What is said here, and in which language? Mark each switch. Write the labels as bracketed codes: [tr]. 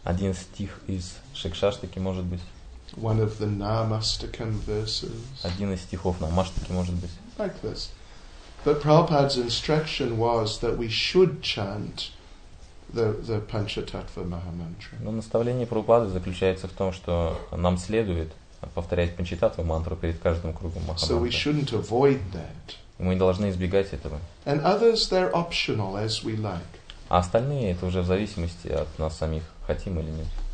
[ru] Один стих из Шикшаштаки, может быть. [en] One of the Namastakam verses. [ru] Один из стихов Намаштаки, может быть. [en] Like this. But Prabhupada's instruction was that we should chant the Panchatattva Mahamantra. [ru] Но наставление Прабхупады заключается в том, что нам следует повторять Панчататву мантру перед каждым кругом Махамантры. [en] So we shouldn't avoid that. [ru] Мы должны избегать этого. [en] And others, they're optional, as we like. [ru] А остальные это уже в зависимости от нас самих, хотим или нет.